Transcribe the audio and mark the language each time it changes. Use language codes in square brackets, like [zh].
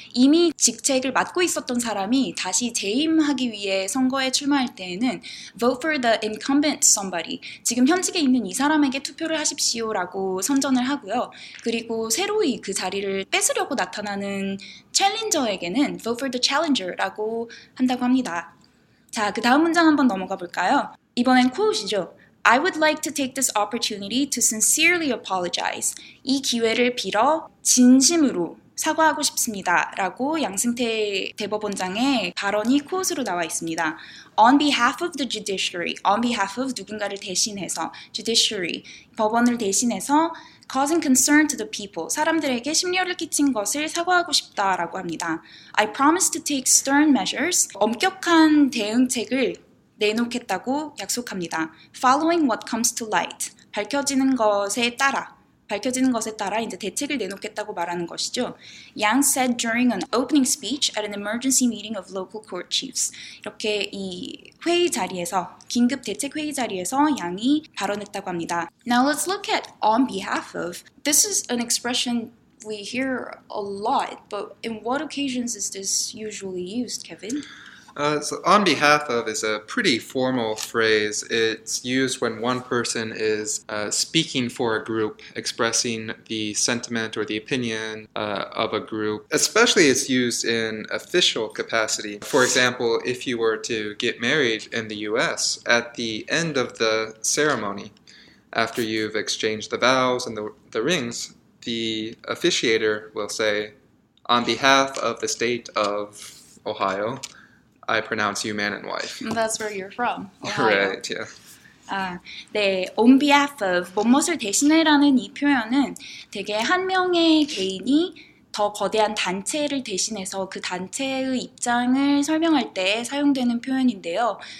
[ko] 이미 직책을 맡고 있었던 사람이 다시 재임하기 위해 선거에 출마할 때에는 [en] vote for the incumbent somebody, [ko] 지금 현직에 있는 이 사람에게 투표를 하십시오라고 선전을 하고요. 그리고 새로이 그 자리를 뺏으려고 나타나는 챌린저에게는 [en] vote for the challenger [ko] 라고 한다고 합니다. 자, 그 다음 문장 한번 넘어가 볼까요? 이번엔 코우시죠. [en] I would like to take this opportunity to sincerely apologize. [ko] 이 기회를 빌어 진심으로 사과하고 싶습니다. 라고 양승태 대법원장의 발언이 코우스로 나와 있습니다. [en] On behalf of the judiciary, on behalf of [ko] 누군가를 대신해서, [en] judiciary, [ko] 법원을 대신해서 [en] causing concern to the people, [ko] 사람들에게 심려를 끼친 것을 사과하고 싶다라고 합니다. [en] I promise to take stern measures, [ko] 엄격한 대응책을 내놓겠다고 약속합니다. [en] Following what comes to light, [ko] 밝혀지는 것에 따라, 밝혀지는 것에 따라 이제 대책을 내놓겠다고 말하는 것이죠. [en] Yang said during an opening speech at an emergency meeting of local court chiefs. 이렇게 이 회의 자리에서, 긴급 대책 회의 자리에서 양이 발언했다고 합니다. Now let's look at on behalf of. This is an expression we hear a lot, but in what occasions is this usually used, Kevin? So on behalf of is a pretty formal phrase. It's used when one person is speaking for a group, expressing the sentiment or the opinion of a group. Especially it's used in official capacity. For example, if you were to get married in the U.S., at the end of the ceremony, after you've exchanged the vows and the rings, the officiator will say, on behalf of the state of Ohio, I pronounce you man and wife. That's where you're from. Ohio. Right, yeah. [ko] 아, 네, [en] on behalf of, [ko] 뭐뭇을 대신해라는 이 표현은 되게 한 명의 개인이 더 거대한 단체를 대신해서 그 단체의 입장을 설명할 때 사용되는 표현인데요.